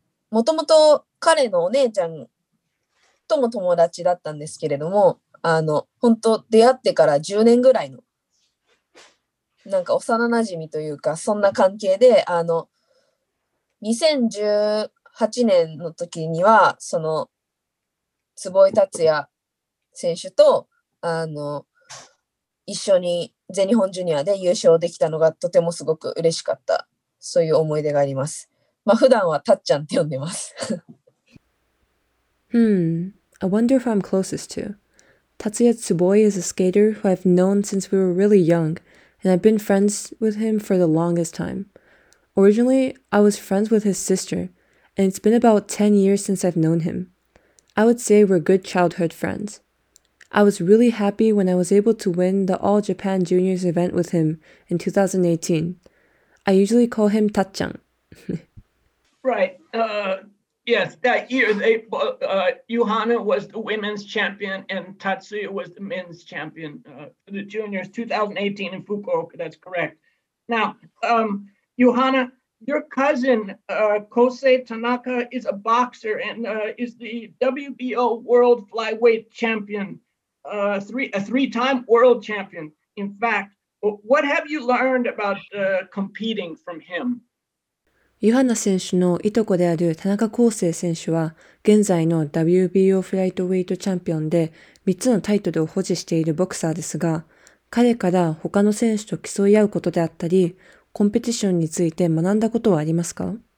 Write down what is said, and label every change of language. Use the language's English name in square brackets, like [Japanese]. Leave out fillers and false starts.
[Japanese] もともと彼のお姉ちゃんとも友達だったんですけれども、あの、本当出会ってから10年ぐらいの、なんか幼馴染というか、そんな関係で、あの、2018年の時には、その、坪井達也選手と、あの、一緒に全日本ジュニアで優勝できたのがとてもすごく嬉しかった。そういう思い出があります。まあ、普段はタッちゃんって呼んでます。 [English] I wonder who I'm closest to. 達也 Tsuboi is a skater who I've known since we were really young, and I've been friends with him for the longest time. Originally, I was friends with his sister, and it's been about 10 years since I've known him. I would say we're good childhood friends. I was really happy when I was able to win the All Japan Juniors event with him in 2018. I usually call him Tachan. Right. Yes, that year, Yuhana was the women's champion and Tatsuya was the men's champion for the juniors, 2018 in Fukuoka, that's correct. Now, Yuhana, your cousin, Kosei Tanaka, is a boxer and is the WBO World Flyweight Champion, a three-time world champion. In fact, what have you learned about competing from him? [Japanese] ユハナ選手のいとこである田中康生選手は現在の WBO フライトウェイトチャンピオンで3つのタイトルを保持しているボクサーですが、彼から他の選手と競い合うことであったり、コンペティションについて学んだことはありますか？